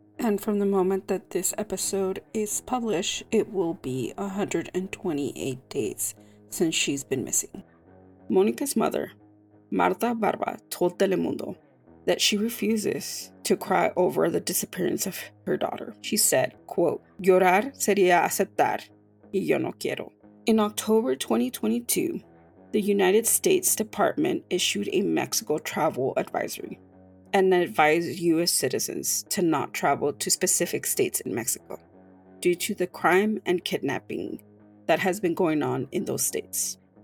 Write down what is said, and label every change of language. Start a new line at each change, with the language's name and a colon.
English: And from the moment that this episode is published, it will be 128 days since she's been missing. Monica's mother, Marta Barba, told Telemundo that she refuses to cry over the disappearance of her daughter. She said, quote,
Spanish: llorar sería aceptar y yo no quiero.
English: In October 2022, the United States Department issued a Mexico travel advisory and advised U.S. citizens to not travel to specific states in Mexico due to the crime and kidnapping that has been going on in those states.